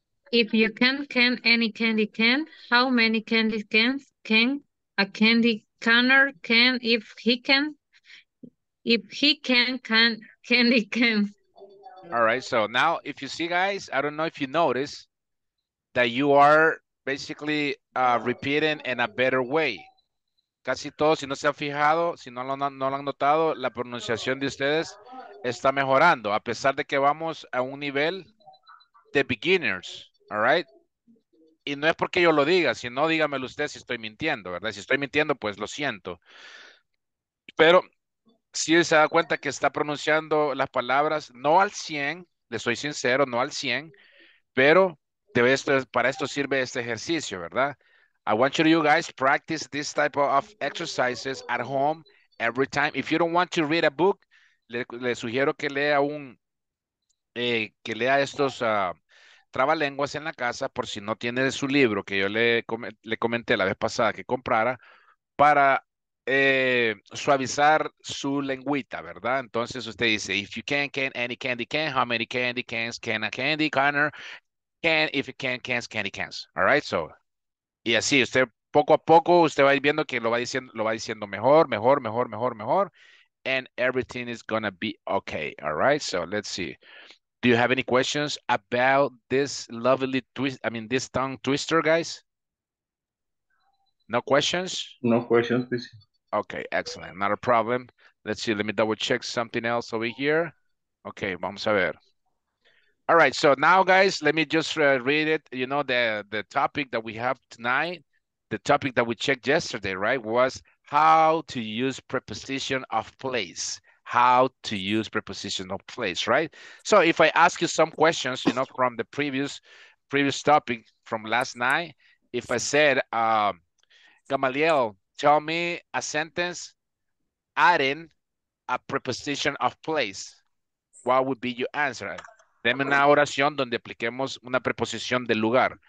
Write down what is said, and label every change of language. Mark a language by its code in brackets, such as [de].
[en] If you can any candy can, how many candy cans can a candy canner can? If he can, can candy can. All right, so now if you see, guys, I don't know if you notice that you are basically repeating in a better way. [es] Casi todos, si no se han fijado, si no lo, no lo han notado, la pronunciación de ustedes está mejorando, a pesar de que vamos a un nivel de beginners, all right? Y no es porque yo lo diga, si no, dígamelo usted si estoy mintiendo, ¿verdad? Si estoy mintiendo, pues lo siento. Pero si se da cuenta que está pronunciando las palabras, no al 100, le soy sincero, no al 100, pero de esto, para esto sirve este ejercicio, ¿verdad? [en] I want you guys practice this type of exercises at home every time. If you don't want to read a book, [es] le sugiero que lea un que lea estos trabalenguas en la casa por si no tiene su libro que yo le comenté la vez pasada que comprara para suavizar su lengüita, ¿verdad? Entonces usted dice, [en] if you can any candy can, how many candy cans can a candy canner can, if you can cans candy cans. [es] All right, so y así, usted poco a poco, usted va a ir viendo que lo va diciendo mejor, mejor, mejor, mejor, mejor. [en] And everything is going to be okay. All right. So let's see. Do you have any questions about this lovely twist? I mean, this tongue twister, guys? No questions? No questions, please. Okay. Excellent. Not a problem. Let's see. Let me double check something else over here. Okay. [es] Vamos a ver. [en] All right, so now, guys, let me just read it. You know, the topic that we have tonight, the topic that we checked yesterday, right, was how to use preposition of place. How to use preposition of place, right? So if I ask you some questions, you know, from the previous topic from last night, if I said, Gamaliel, tell me a sentence adding a preposition of place, what would be your answer? [es] Deme una oración donde apliquemos una preposición de lugar.